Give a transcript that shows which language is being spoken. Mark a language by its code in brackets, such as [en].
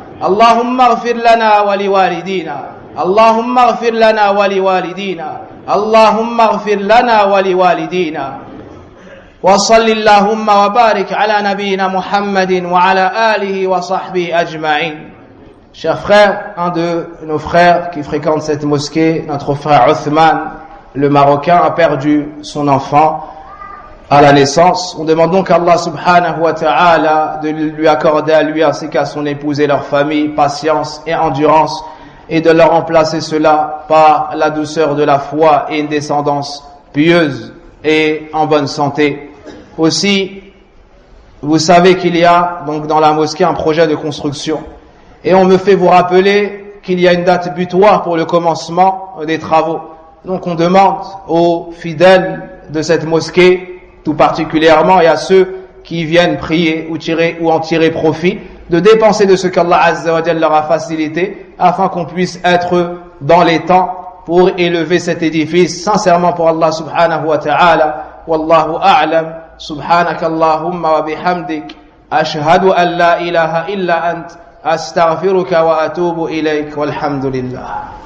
[ar] اللهم اغفر لنا ولوالدينا اللهم اغفر لنا ولوالدينا اللهم اغفر لنا ولوالدينا وصل اللهم وبارك على نبينا محمد وعلى آله وصحبه أجمعين. [fr] Chers frères, un de nos frères qui fréquente cette mosquée, notre frère Othman, le Marocain, a perdu son enfant à la naissance. On demande donc à Allah subhanahu wa ta'ala de lui accorder à lui ainsi qu'à son épouse et leur famille patience et endurance et de leur remplacer cela par la douceur de la foi et une descendance pieuse et en bonne santé. Aussi, vous savez qu'il y a donc dans la mosquée un projet de construction. Et on me fait vous rappeler qu'il y a une date butoir pour le commencement des travaux. Donc on demande aux fidèles de cette mosquée, tout particulièrement, et à ceux qui viennent prier ou en tirer profit, de dépenser de ce qu'Allah Azza wa Jalla leur a facilité, afin qu'on puisse être dans les temps pour élever cet édifice. Sincèrement pour Allah subhanahu wa ta'ala, [ar] والله أعلم. سبحانك اللهم وبحمدك، أشهد أن لا إله إلا أنت، أستغفرك وأتوب إليك، والحمد لله.